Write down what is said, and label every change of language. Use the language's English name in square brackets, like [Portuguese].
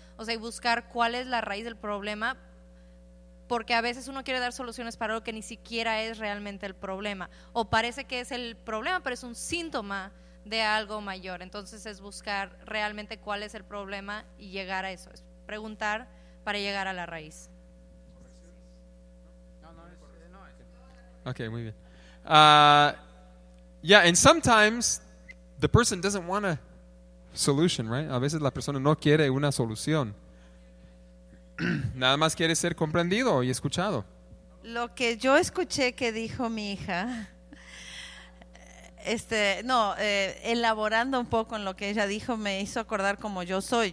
[Spanish] O sea, y buscar cuál es la raíz del problema, porque a veces uno quiere dar soluciones para lo que ni siquiera es realmente el problema, o parece que es el problema, pero es un síntoma de algo mayor. Entonces es buscar realmente cuál es el problema y llegar a eso, es preguntar para llegar a la raíz. Ok, muy bien. [English] And sometimes the person doesn't want a solution, right? [Spanish] A veces la persona no quiere una solución. Nada más quiere ser comprendido y escuchado. Lo que yo escuché que dijo mi hija, elaborando un poco en lo que ella dijo, me hizo acordar como yo soy.